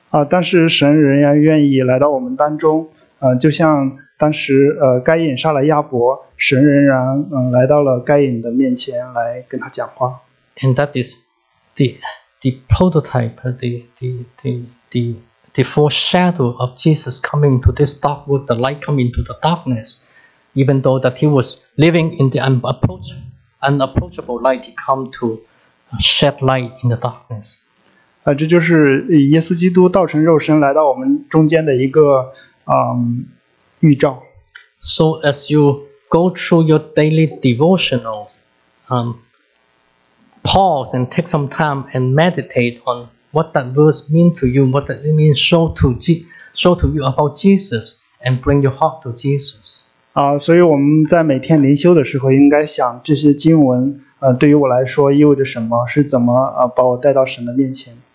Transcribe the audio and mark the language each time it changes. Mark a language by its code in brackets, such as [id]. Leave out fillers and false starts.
[zh] 但是神仍然愿意来到我们当中。就像当时该隐杀了亚伯，神仍然来到了该隐的面前来跟他讲话。 [en] And that is the prototype, the foreshadow of Jesus coming to this dark world, the light coming to the darkness. Even though that he was living in the unapproachable light, he come to shed light in the darkness. [zh] 这就是耶稣基督道成肉身来到我们中间的一个预兆。 [en] So as you go through your daily devotionals, pause and take some time and meditate on what that verse means to you, what does it mean show to you about Jesus and bring your heart to Jesus. [zh] 所以我们在每天灵修的时候应该想这些经文对于我来说意味着什么，是怎么把我带到神的面前。